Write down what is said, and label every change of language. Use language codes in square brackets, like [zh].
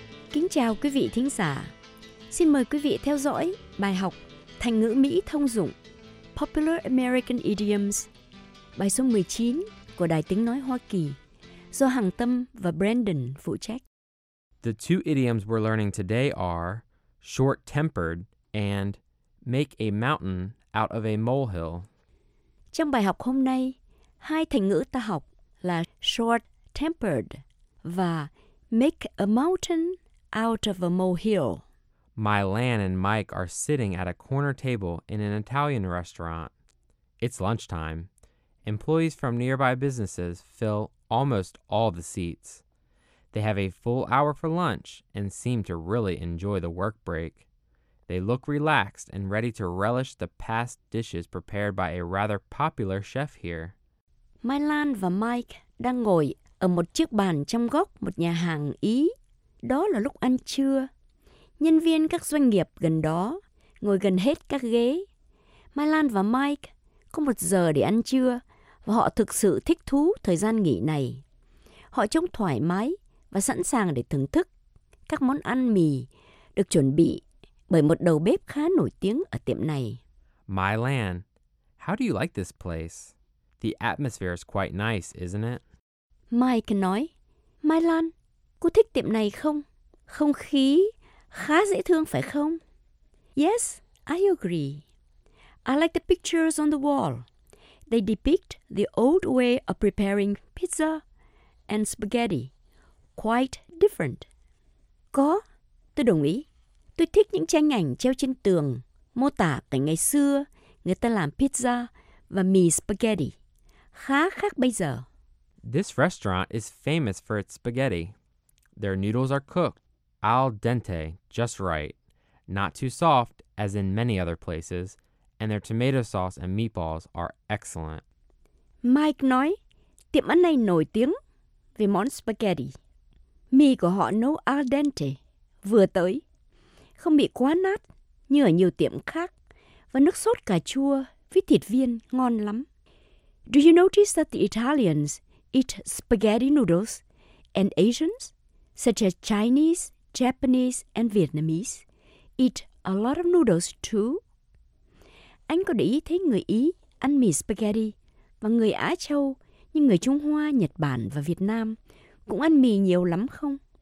[vi] Kính chào quý vị thính giả. Xin mời quý vị theo dõi bài học thành ngữ Mỹ thông dụng [en] Popular American Idioms, [vi] bài số 19 của Đài Tiếng Nói Hoa Kỳ, do Hằng Tâm và Brandon phụ trách. [en] The two idioms we're learning today are short-tempered and make a mountain out of a molehill. [vi] Trong bài học hôm nay, hai thành ngữ ta học là short-tempered và [en] make a mountain out of a molehill. Mylan and Mike are sitting at a corner table in an Italian restaurant. It's lunchtime. Employees from nearby businesses fill almost all the seats. They have a full hour for lunch and seem to really enjoy the work break. They look relaxed and ready to relish the past dishes prepared by a rather popular chef here. [vi] Mylan và Mike đang ngồi ở một chiếc bàn trong góc một nhà hàng Ý. Đó là lúc ăn trưa. Nhân viên các doanh nghiệp gần đó ngồi gần hết các ghế. Mylan và Mike có một giờ để ăn trưa và họ thực sự thích thú thời gian nghỉ này. Họ trông thoải mái và sẵn sàng để thưởng thức các món ăn mì được chuẩn bị bởi một đầu bếp khá nổi tiếng ở tiệm này. [en] Mylan, how do you like this place? The atmosphere is quite nice, isn't it? [vi] Mike nói, Mylan, cô thích tiệm này không? Không khí khá dễ thương phải không? [en] Yes, I agree. I like the pictures on the wall. They depict the old way of preparing pizza and spaghetti. Quite different. [vi] Có, tôi đồng ý. Tôi thích những tranh ảnh treo trên tường mô tả cảnh ngày xưa người ta làm pizza và mì spaghetti. Khá khác bây giờ. [en] This restaurant is famous for its spaghetti. Their noodles are cooked al dente, just right. Not too soft, as in many other places. And their tomato sauce and meatballs are excellent. [vi] Mike nói, tiệm ăn này nổi tiếng về món spaghetti. Mì của họ nấu al dente, vừa tới. Không bị quá nát như ở nhiều tiệm khác. Và nước sốt cà chua với thịt viên ngon lắm. [en] Do you notice that the Italians eat spaghetti noodles and Asians, such as Chinese, Japanese and Vietnamese, eat a lot of noodles too? [vi] Anh có để ý thấy người Ý ăn mì spaghetti và người Á Châu như người Trung Hoa, Nhật Bản và Việt Nam cũng ăn mì nhiều lắm không?